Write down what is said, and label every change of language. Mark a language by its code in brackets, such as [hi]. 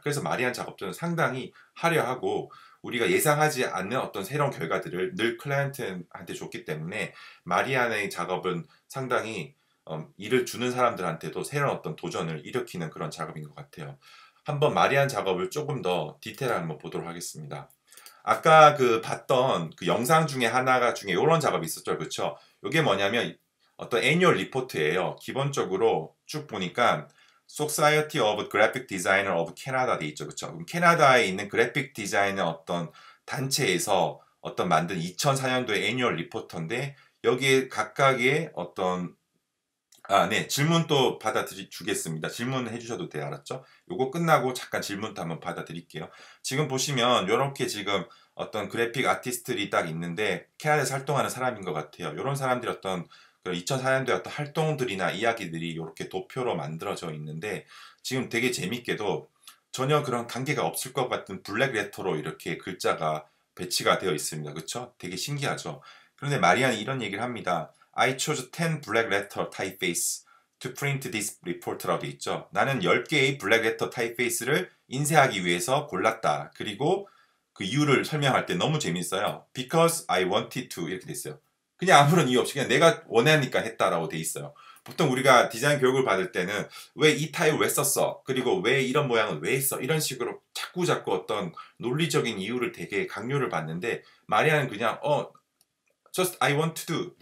[ko] 그래서 마리아 작업들은 상당히 화려하고 우리가 예상하지 않는 어떤 새로운 결과들을 늘 클라이언트한테 줬기 때문에 마리안의 작업은 상당히 일을 주는 사람들한테도 새로운 어떤 도전을 일으키는 그런 작업인 것 같아요. 한번 마리안 작업을 조금 더 디테일하게 한번 보도록 하겠습니다. 아까 그 봤던 그 영상 중에 하나가 중에 이런 작업이 있었죠. 그렇죠? 이게 뭐냐면 어떤 애니얼 리포트예요. 기본적으로 쭉 보니까 Society of Graphic Designer of Canada 돼 있죠. 그렇죠? 그럼 캐나다에 있는 그래픽 디자이너 어떤 단체에서 어떤 만든 2004년도의 애니얼 리포트인데 여기에 각각의 어떤 아, 네. 질문 또 주겠습니다. 질문해 주셔도 돼요. 알았죠? 요거 끝나고 잠깐 질문도 한번 받아드릴게요. 지금 보시면 요렇게 지금 어떤 그래픽 아티스트들이 딱 있는데 캐나다에서 활동하는 사람인 것 같아요. 요런 사람들이 어떤 그런 2004년도에 어떤 활동들이나 이야기들이 요렇게 도표로 만들어져 있는데 지금 되게 재밌게도 전혀 그런 관계가 없을 것 같은 블랙 레터로 이렇게 글자가 배치가 되어 있습니다. 그쵸? 되게 신기하죠? 그런데 마리안이 이런 얘기를 합니다. [en] I chose 10 black letter typeface to print this report [ko] 라고 돼 있죠. 나는 10개의 black letter typeface를 인쇄하기 위해서 골랐다. 그리고 그 이유를 설명할 때 너무 재밌어요. [en] Because I wanted to [ko] 이렇게 돼 있어요. 그냥 아무런 이유 없이 그냥 내가 원하니까 했다라고 돼 있어요. 보통 우리가 디자인 교육을 받을 때는 왜이 타입을 왜 썼어? 그리고 왜 이런 모양을 왜 했어? 이런 식으로 자꾸 어떤 논리적인 이유를 되게 강요를 받는데 마리아는 그냥 [en] Just I want to do.